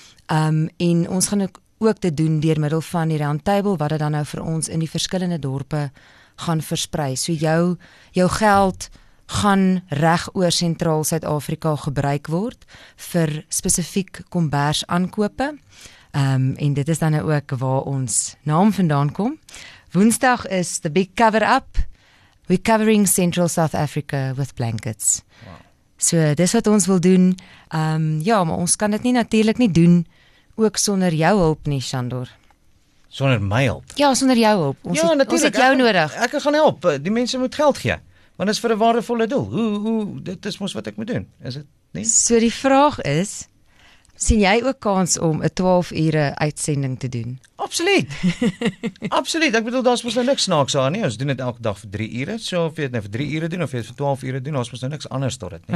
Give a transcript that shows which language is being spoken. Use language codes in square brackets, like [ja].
[af] En ons gaan ook dit doen deur middel van die Roundtable wat dit dan nou vir ons in die verskillende dorpe gaan versprei. So jou geld gaan reg oor Sentraal Suid-Afrika gebruik word vir spesifiek kombers aankope. En dit is dan nou ook waar ons naam vandaan kom. Woensdag [en] is the big cover up. We're covering Central South Africa with blankets. Wow. [af] So, dis wat ons wil doen. Ja, maar ons kan dit nie natuurlik nie doen, ook sonder jou hulp nie, Shandor. Sonder my hulp? Ja, sonder jou hulp. Ons, ja, het, ons het jou ek, nodig. Ek gaan help, die mense moet geld gee, want is vir 'n waardevolle doel. Dit is mos wat ek moet doen, is dit nie? So, die vraag is, sien jy ook kans om 'n 12 ure uitsending te doen? Absoluut. Absoluut, ek bedoel, daar is nou niks snaaks aan nie, ons doen dit elke dag vir 3 ure, so of jy het nou vir 3 ure doen, of jy het vir 12 ure doen, daar is nou niks anders tot dit nie.